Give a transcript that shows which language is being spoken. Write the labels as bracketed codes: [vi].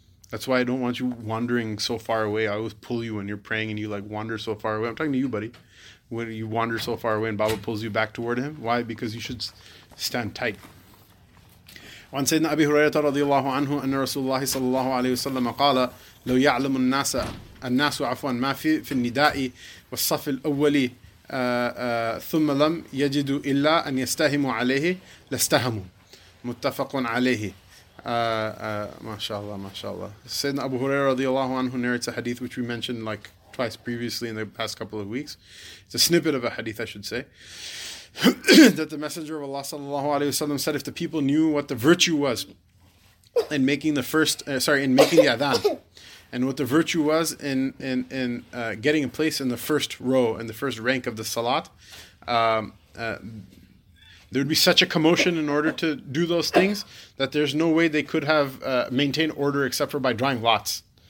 [en] That's why I don't want you wandering so far away. I always pull you when you're praying and you like wander so far away. I'm talking to you, buddy. When you wander so far away and Baba pulls you back toward him. Why? Because you should stand tight. [ar] On Sayyidina Abi Hurairah radiallahu anhu, anna Rasulullah sallallahu alayhi wa sallam qala, لو يعلم الناس الناس عفوا ما في النداء والصف الأول ثم لم يجدوا إلا أن يستهموا عليه لاستهموا متفق عليه. Mashallah, mashallah. [en] Sayyidina Abu Hurairah radiallahu anhu narrates a hadith which we mentioned like twice previously in the past couple of weeks. It's a snippet of a hadith, I should say, that the Messenger of Allah sallallahu alayhi wa sallam said, if the people knew what the virtue was in making the first, in making the adhan, and what the virtue was in getting a place in the first row, in the first rank of the salat, there would be such a commotion in order to do those things that there's no way they could have maintained order except for by drawing lots.